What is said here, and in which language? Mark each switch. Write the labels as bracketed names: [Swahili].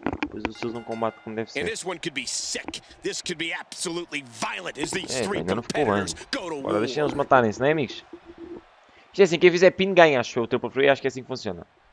[Portuguese] Pois os seus não combatem como deve ser. E este pode ser sick. [English] This could be absolutely violent as these three competitors go to war. [Portuguese] Deixem eles matarem-se, não é, amigos? Isto é assim, quem fizer pin ganha, acho eu. O Triple Threat, acho que é assim que funciona.